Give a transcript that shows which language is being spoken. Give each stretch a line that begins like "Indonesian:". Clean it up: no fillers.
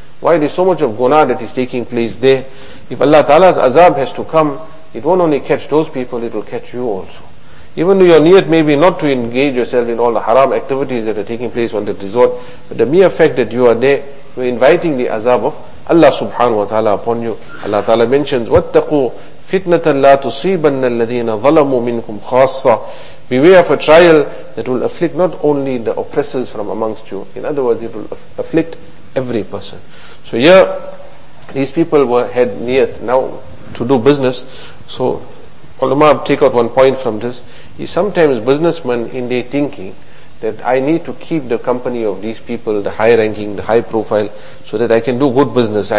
English: Why there's so much of guna that is taking place there? If Allah Ta'ala's azab has to come, it won't only catch those people, it will catch you also. Even though your niyat may be not to engage yourself in all the haram activities that are taking place on that resort, but the mere fact that you are there, you are inviting the azab of Allah subhanahu wa ta'ala upon you. Allah Ta'ala mentions,
Arabic: وَاتَّقُوا فِتْنَةً لَا تُصِيبَنَّ الَّذِينَ ظَلَمُوا مِنْكُمْ خَاصَّةً.
English: Beware of a trial that will afflict not only the oppressors from amongst you. In other words, it will afflict every person. So here, these people had niyat now to do business. So, ulama take out one point from this. Is sometimes businessmen in their thinking that I need to keep the company of these people, the high ranking, the high profile, so that I can do good business.